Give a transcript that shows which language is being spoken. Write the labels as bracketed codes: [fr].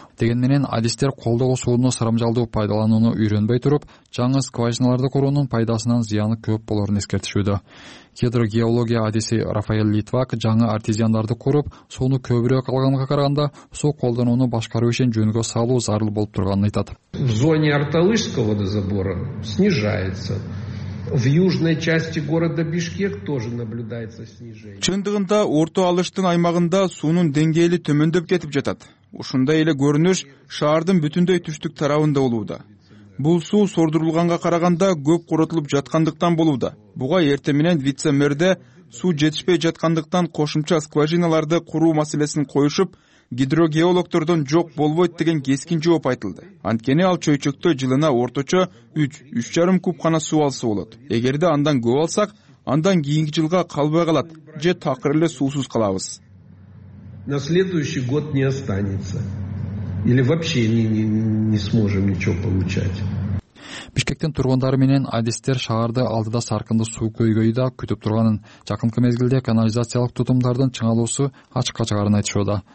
[ky] Деген менен адистер колдогу сууну сарамжалдуу пайдаланууну үйрөнбөй туруп, жаңы скважиналарды куруунун пайдасынан зыяны көп болорун эскертишүүдө. Гидрогеология адиси Рафаэль Литвак жаңы артезиандарды куруп, сууну көбүрөөк алганга караганда суу колдонууну башкаруу ишин жөнгө салуу зарыл болуп турганын айтат. [ru] В зоне Арталышского водозабора снижается. В южной части города Бишкек тоже наблюдается снижение. [ky] Чындыгында Орто Алыштын аймагында суунун деңгээли төмөндөп кетип жатат. Ушундай эле көрүнүш шаардын бүтүндөй түштүк тарабында болууда. Бул суу сордурулганга караганда көп куротулуп жаткандыктан болууда. Буга эрте менен вице-мэрде суу жетишпей жаткандыктан кошумча скважиналарды куруу маселесин коюшуп, гидрогеологтордон жок болбойт деген кескин жооп айтылды. Анткени ал чөйчөктө жылына орточо 3-3,5 куб гана суу алса болот. Эгерде андан көп алсак, андан кийинки жылга калбай калат же такыр эле суусуз калабыз. [ru] На следующий год не останется. Или вообще не сможем ничего получать. [ky] Бишкектин тургундары менен адистер шаарды алдыда саркынды суу көйгөйү да күтүп турганын, жакынкы мезгилде канализациялык тутумдардын чыңалуусу ачыкка чыгарын айтышууда.